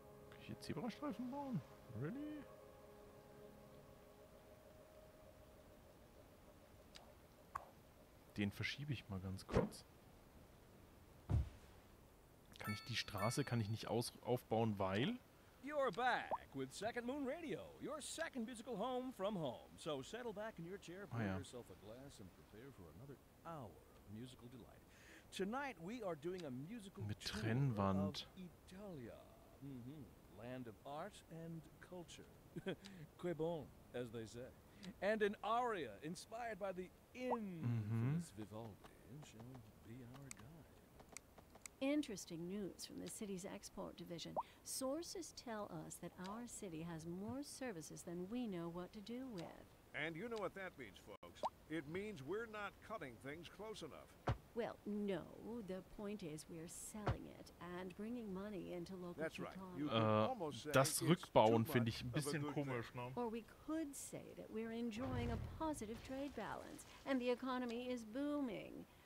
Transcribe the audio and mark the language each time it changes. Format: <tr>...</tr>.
<de>Kann ich hier Zebrastreifen bauen?</de> <en>Really?</en> <de>Den verschiebe ich mal ganz kurz. Kann ich die Straße kann ich nicht aufbauen, weil...</de> <en>You're back with Second Moon Radio, your second musical home from home. So settle back in your chair, pour yourself a glass and prepare for another hour of musical delight. Tonight we are doing a musical</en> <de>mit Trennwand.</de> <en>Tour of Italia, land of art and culture, que bon, as they say, and an aria inspired by the infamous Vivaldi shall be our guide. Interesting news from the city's export division. Sources tell us that our city has more services than we know what to do with. And you know what that means, folks. It means we're not cutting things close enough. Well, no. The point is, we're selling it and bringing money into local economy. That's right.</en> <de>Das Rückbauen finde ich ein bisschen komisch, ne?</de> <en>Or we could say that we're enjoying a positive trade balance and the economy is booming.</en>